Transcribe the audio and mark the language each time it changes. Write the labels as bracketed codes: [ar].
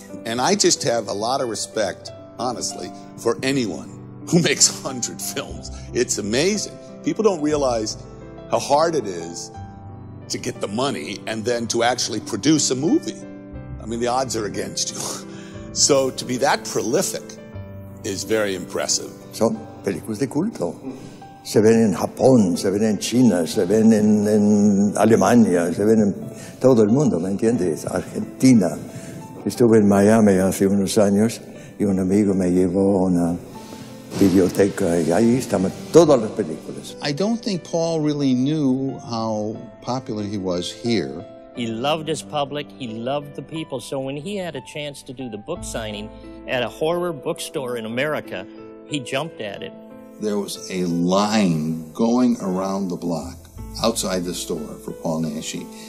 [en] And I just have a lot of respect, honestly, for anyone who makes 100 films. It's amazing. People don't realize how hard it is to get the money and then to actually produce a movie. I mean, the odds are against you. So to be that prolific is very impressive. [es] So? Películas de culto. Se ven en Japón, se ven en China, se ven en Alemania, se ven en todo el mundo, ¿me entiendes? Argentina. Estuve en Miami hace unos años y un amigo me llevó a una videoteca y ahí estaban todas las películas. [en] I don't think Paul really knew how popular he was here. He loved his public, he loved the people. So when he had a chance to do the book signing at a horror bookstore in America, he jumped at it. There was a line going around the block outside the store for Paul Naschy.